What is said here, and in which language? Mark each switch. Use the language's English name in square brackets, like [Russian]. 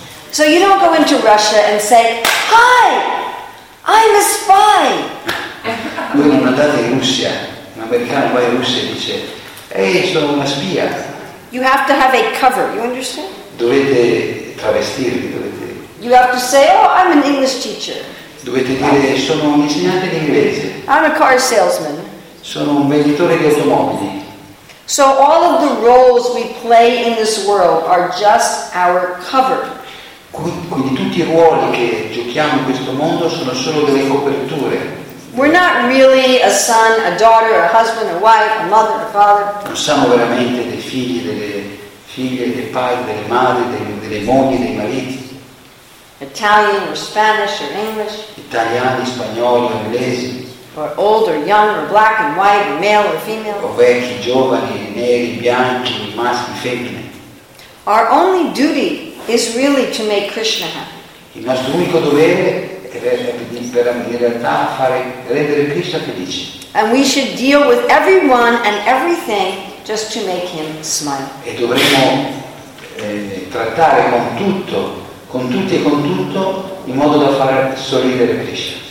[English] So you don't go into Russia and say, "Hi, I'm a spy." [Italian] Voi non andate in Russia, un americano va in Russia e dice, "Ehi, sono una spia." [English] You have to have a cover. You understand? [Italian] Dovete travestirvi. [English] You have to say, "Oh, I'm an English teacher." [Italian] Dovete dire che sono un insegnante di inglese. [English] I'm a car salesman. [Italian] Sono un venditore di automobili. [English] So all of the roles we play in this world are just our cover. [Italian] Quindi tutti i ruoli che giochiamo in questo mondo sono solo delle coperture. [English] We're not really a son, a daughter, a husband, a wife, a mother, a father. [Italian] Non siamo veramente dei figli, delle figlie, dei padri, delle madri, delle mogli, dei mariti. [English] Italian or Spanish or English. [Italian] Italiani, spagnoli, inglesi. [English] Or old or young or black and white or male or female. [Italian] O vecchi, giovani, neri, bianchi, maschi, femmine. [English] Our only duty is really to make Krishna happy. [Italian] Il nostro unico dovere è per in realtà fare rendere Krishna felice. [English] And we should deal with everyone and everything just to make him smile. [Italian] E dovremmo trattare con tutto, con tutti e con tutto, in modo da far sorridere Krishna.